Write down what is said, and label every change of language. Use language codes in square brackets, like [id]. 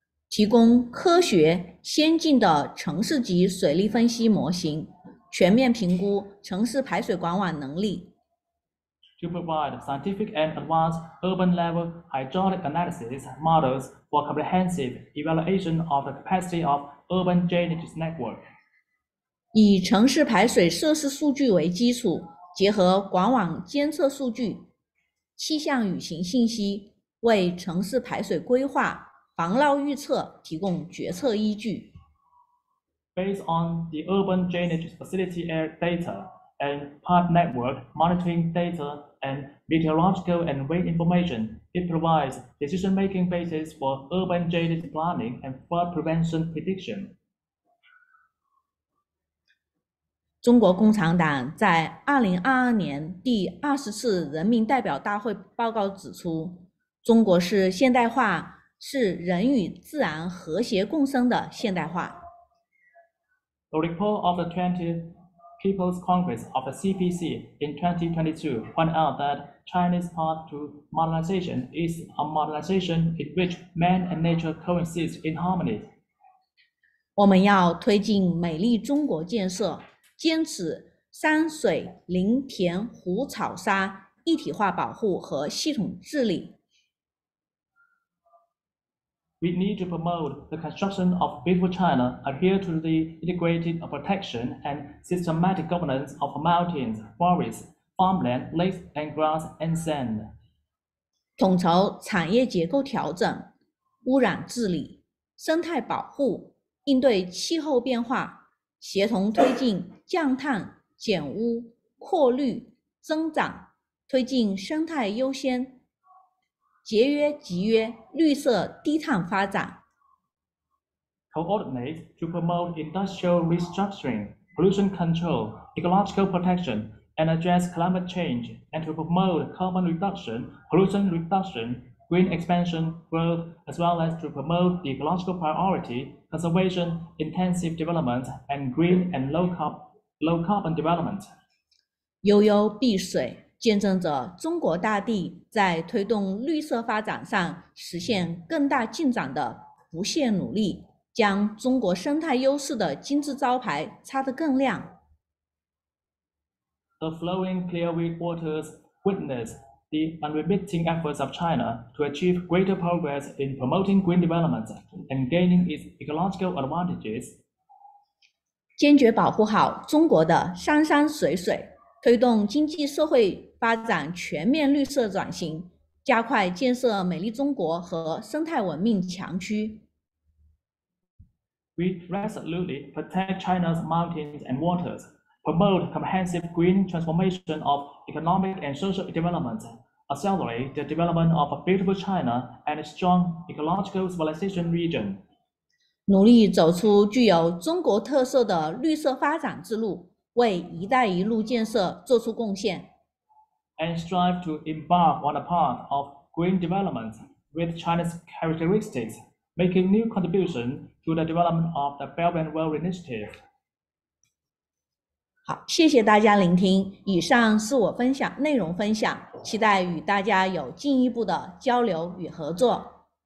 [zh] 提供科学先进的城市级水利分析模型，全面评估城市排水管网能力。 [en] To provide scientific and advanced urban level hydraulic analysis models for comprehensive evaluation of the capacity of urban drainage network. [zh] 以城市排水设施数据为基础，结合管网监测数据、气象雨情信息，为城市排水规划。防涝预测提供决策依据。 [en] Based on the urban drainage facility air data and pipe network monitoring data and meteorological and rain information, it provides decision-making basis for urban drainage planning and flood prevention prediction. [zh] 中国共产党在2022年第20次人民代表大会报告指出，中国是现代化。是人与自然和谐共生的现代化。 [en] The report of the 20th People's Congress of the CPC in 2022 pointed out that China's path to modernization is a modernization in which man and nature coexist in harmony. [zh] 我们要推进美丽中国建设，坚持山水林田湖草沙一体化保护和系统治理。 [en] We need to promote the construction of beautiful China, adhere to the integrated protection and systematic governance of mountains, forests, farmland, lakes, and grass and sand. [zh] 统筹产业结构调整、污染治理、生态保护、应对气候变化，协同推进降碳、减污、扩绿、增长，推进生态优先。节约集约绿色低碳发展。 [en] Coordinate to promote industrial restructuring, pollution control, ecological protection, and address climate change, and to promote carbon reduction, pollution reduction, green expansion, growth, as well as to promote the ecological priority, conservation, intensive development, and green and low carbon development. [zh] 悠悠碧水。见证着中国大地在推动绿色发展上实现更大进展的不懈努力，将中国生态优势的金字招牌擦得更亮。 [en] The flowing clear waters witness the unremitting efforts of China to achieve greater progress in promoting green development and gaining its ecological advantages. [zh] 坚决保护好中国的山山水水，推动经济社会发展全面绿色转型，加快建设美丽中国和生态文明强区。 [en] We resolutely protect China's mountains and waters, promote comprehensive green transformation of economic and social development, accelerate the development of a beautiful China and a strong ecological civilization region. [zh] 努力走出具有中国特色的绿色发展之路，为“一带一路”建设做出贡献。 [en] And strive to embark on a path of green development with China's characteristics. Making new contribution to the development of the Belt and Road Initiative. [zh] 好，谢谢大家聆听。以上是我分享内容分享，期待与大家有进一步的交流与合作。